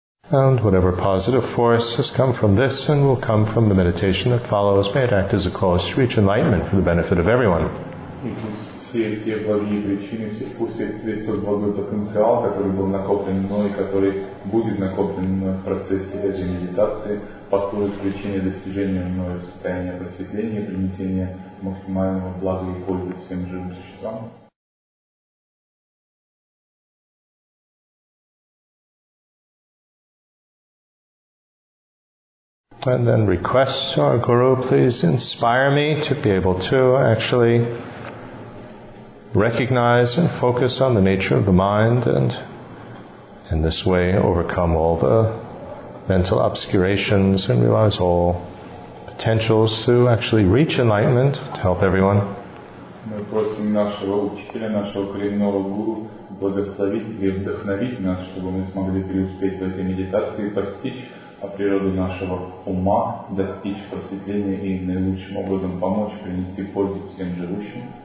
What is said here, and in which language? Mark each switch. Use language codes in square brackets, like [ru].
[en] And whatever positive force has come from this and will come from the meditation that follows, may it act as a cause to reach enlightenment for the benefit of everyone. [ru] Все благие причины, все тот благой потенциал, который был накоплен мной, который будет накоплен мной в процессе этой медитации, послужит причиной достижения мною состояния просветления и принесения максимального блага и пользы всем живым существам. [en] And then request our guru, please inspire me to be able to actually recognize and focus on the nature of the mind, and in this way overcome all the mental obscurations and realize all potentials to actually reach enlightenment, to help everyone. [ru] Мы просим нашего учителя, нашего коренного гуру, благословить и вдохновить нас, чтобы мы смогли преуспеть в этой медитации, постичь природу нашего ума, достичь просветления и наилучшим образом помочь принести пользу всем живущим.